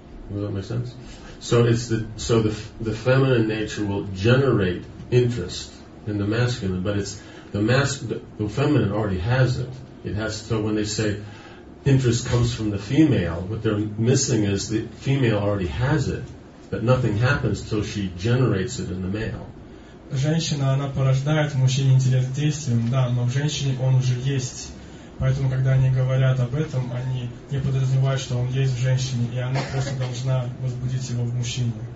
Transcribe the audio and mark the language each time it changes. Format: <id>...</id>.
<en>Does that make sense? So it's the so the the feminine nature will generate interest in the masculine, but it's the feminine already has it. It has. So when they say interest comes from the female, what they're missing is the female already has it, but nothing happens till she generates it in the male.</en> <ru>Женщина, она порождает в мужчине интерес к действиям, да, но в женщине он уже есть. Поэтому, когда они говорят об этом, они не подразумевают, что он есть в женщине, и она просто должна возбудить его в мужчине.</ru>